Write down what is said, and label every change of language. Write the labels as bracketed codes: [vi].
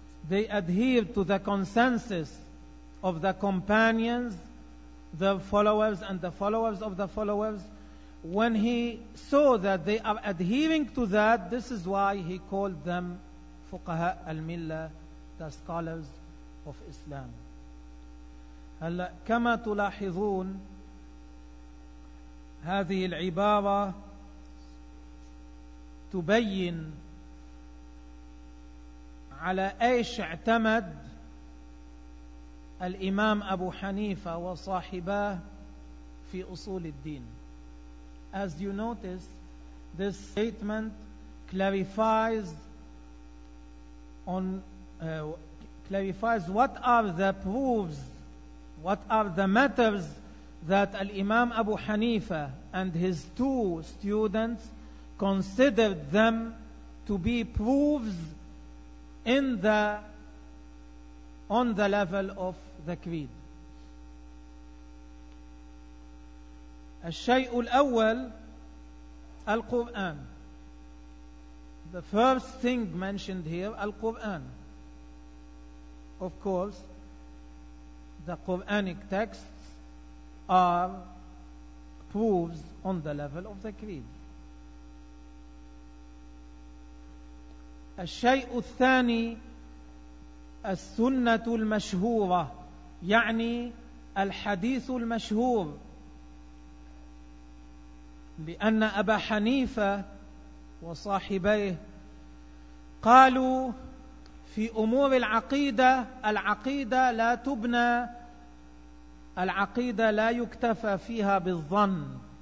[en] adhered to the consensus of the companions, the followers, and the followers of the followers. When he saw that they are adhering to that, this is why he called them Fuqaha al-Milla, the scholars of Islam. [ar] كما تلاحظون هذه العبارة تبين على ايش اعتمد الامام ابو حنيفه وصاحباه في اصول الدين. [en] As you notice, this statement clarifies what are the proofs, what are the matters that al-imam abu hanifa and his two students considered them to be proofs on the level of the creed. [ar] الشيء الأول القرآن. [en] The first thing mentioned here, القرآن. Of course, the Quranic texts are proofs on the level of the creed. [ar] الشيء الثاني السنة المشهورة يعني الحديث المشهور لأن أبا حنيفة وصاحبيه قالوا في أمور العقيدة العقيدة لا تبنى العقيدة لا يكتفى فيها بالظن